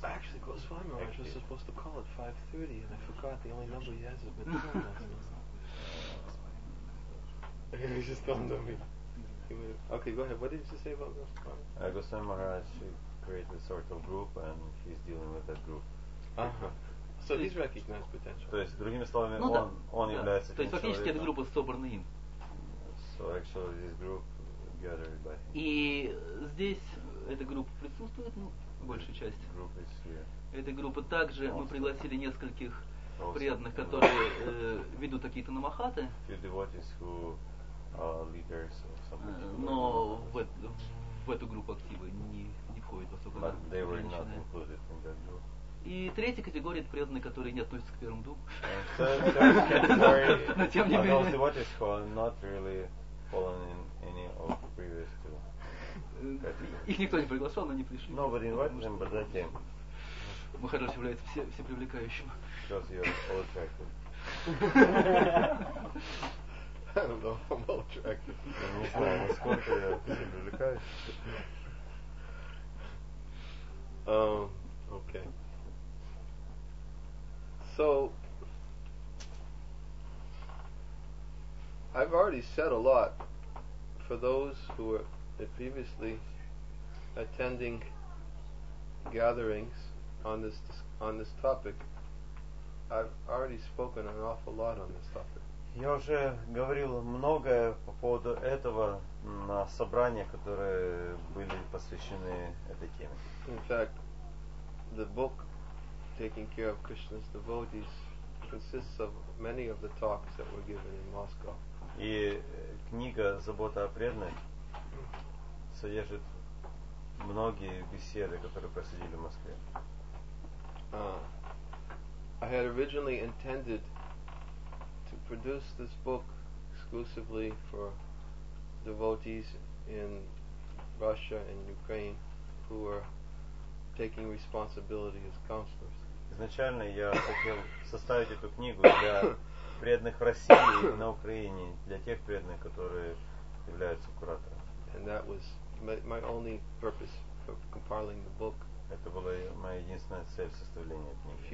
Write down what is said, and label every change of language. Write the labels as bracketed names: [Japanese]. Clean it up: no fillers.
[English] Actually, Goswami Maharaj was supposed to call at 5:30, and I forgot the only number he has is been telling us. He just told me. Okay, go ahead. What did you say about Goswami? Goswami Maharaj created a sort of group, and he's dealing with that group. So he's recognized potential. [Russian] То есть, другими словами, он является. То есть, фактически, эта группа собрана им. [English] So actually, this group gathered by him. [Russian] И здесь эта группа присутствует, ну, большая часть. [English] Group is here. [Russian] Эта группа также мы пригласили нескольких преданных, которые ведут какие-то намахаты. [English] Few devotees who are leaders of some. [Russian] Но в эту группу активы не входит особо. [English] But they were not included in that group. [Russian] И третья категория — это преданные, которые не относятся к первому двум. Но тем не менее. [English] Those devotees who are not really following in any of the previous two. [Russian] Их никто не приглашал, но они пришли. [English] Nobody invited them, but they came. [Russian] Махарадж является все привлекающим. [English] Because you're all attractive. I don't know, I'm all attractive. [Russian] Не знаю, насколько я все привлекающий. [English] Okay. So, I've already said a lot for those who were previously attending gatherings on this topic. I've already spoken an awful lot on this topic. [Russian] Я уже говорил многое по поводу этого на собраниях, которые были посвящены этой теме. [English] In fact, the book Taking Care of Krishna's Devotees consists of many of the talks that were given in Moscow. [Russian] И книга «Забота о преданных» содержит многие беседы, которые проходили в Москве. [English] I had originally intended to produce this book exclusively for devotees in Russia and Ukraine who were taking responsibility as counselors. [Russian] Изначально я хотел составить эту книгу для преданных в России и на Украине, для тех преданных, которые являются кураторами. [English] And that was my only purpose for compiling the book. [Russian] Это была моя единственная цель составления книги.